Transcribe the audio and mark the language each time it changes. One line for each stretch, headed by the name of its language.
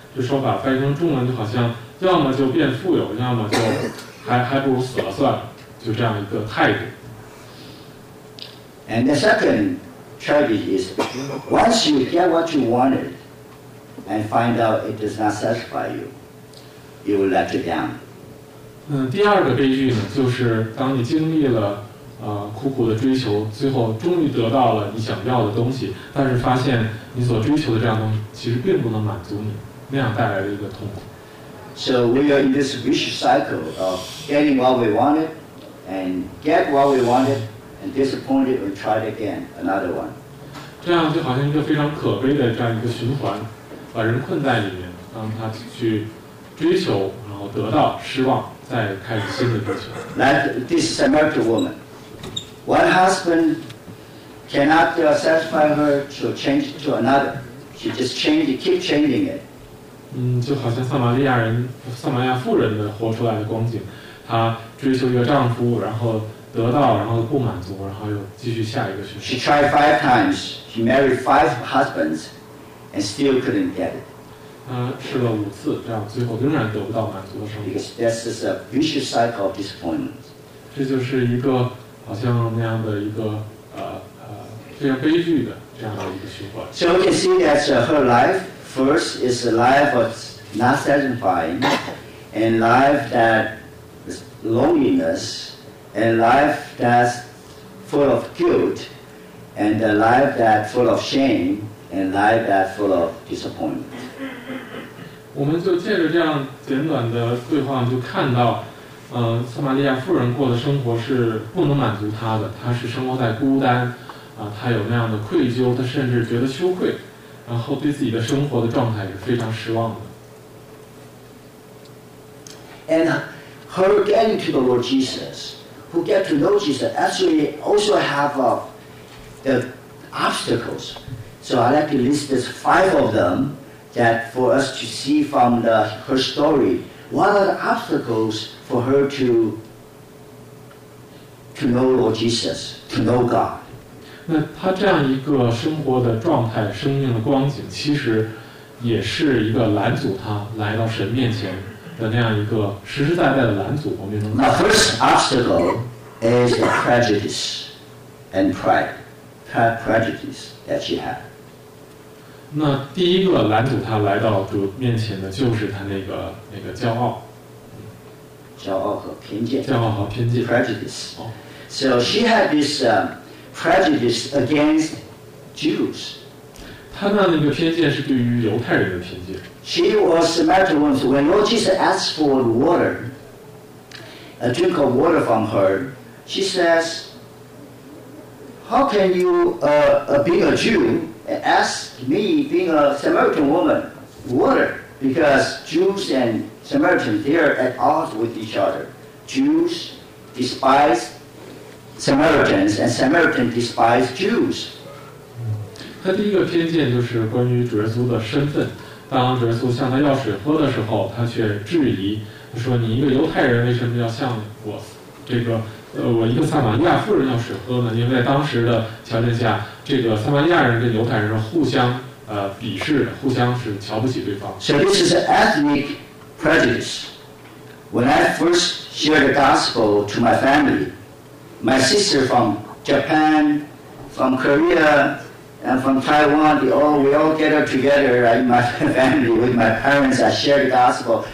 Chinese: 这说法翻译成中文就好像，要么就变富有，要么就还不如死了算了，就这样一个态度。
English: And the second tragedy is, once you get what you wanted and find out it does not satisfy you, you will let it down.
Chinese: 第二个悲剧呢，就是当你经历了苦苦的追求，最后终于得到了你想要的东西，但是发现你所追求的这样东西其实并不能满足你，那样带来的一个痛苦。
English: So we are in this vicious cycle of getting what we wanted and get what we wanted. And disappointed, we tried again, another one.
Chinese: 这样就好像一个非常可悲的这样一个循环，把人困在里面，让他去追求，然后得到失望，再开始新的追求。
English: Like this Samaritan woman, one husband cannot satisfy her, so change to another. She just changed, keep changing it.
Chinese: 就好像撒玛利亚妇人的活出来的光景，她追求一个丈夫，然后。得到，然后不满足，然后又继续下一个循环。
English: She tried five times. She married five husbands, and still couldn't get it.
Chinese: 她试了五次，这样最后仍然得不到满足的生活。
English: Because this is a vicious cycle of disappointment.
Chinese: 这就是一个好像那样的一个非常悲剧的这样的一个循环。
English: So we can see that her life first is a life of not satisfying, and life that loneliness.And life that's full of guilt and a life that full of shame and a life that full of disappointment.
Chinese: 我们就借着这样简短的对话就看到撒玛利亚妇人过的生活是不能满足她的，她是生活在孤单她有那样的愧疚，她甚至觉得羞愧，然后对自己的生活的状态也非常失望的。
English: And her getting to the Lord Jesus, who get to know Jesus, actually also have the obstacles. So I'd like to list this five of them that for us to see from her story, what are the obstacles for her to know Lord Jesus, to know God.
Chinese: 那她这样一个生活的状态，生命的光景，其实也是一个拦阻她来到神面前的那样一个实实在在的拦阻。我们能
English: The first obstacle is the prejudice and pride, prejudice that she had.
Chinese: 那第一个拦阻她来到主面前的就是她那个骄傲。骄傲和偏见。骄傲和偏见。
English: Prejudice. So she had this prejudice against Jews.
Chinese: 她那样的一个偏见是对于犹太人的偏见。
English: She was a Samaritan woman. So when Lord Jesus asked for water, a drink of water from her, she says, "How can you, being a Jew, ask me, being a Samaritan woman, water?" Because Jews and Samaritans, they are at odds with each other. Jews despise Samaritans, and Samaritans despise Jews.
Chinese: 他第一个偏见就是关于主耶稣的身份。当主耶稣向他要水喝的时候，他却质疑，他说：“你一个犹太人，为什么要向我这个我一个撒玛利亚妇人要水喝呢？”因为在当时的条件下，这个撒玛利亚人跟犹太人互相鄙视，互相是瞧不起对方。
English: So this is an ethnic prejudice. When I first shared the gospel to my family, my sister from Japan, from Korea, and from Taiwan, we all gather together, right, my family, with my parents, I shared the gospel.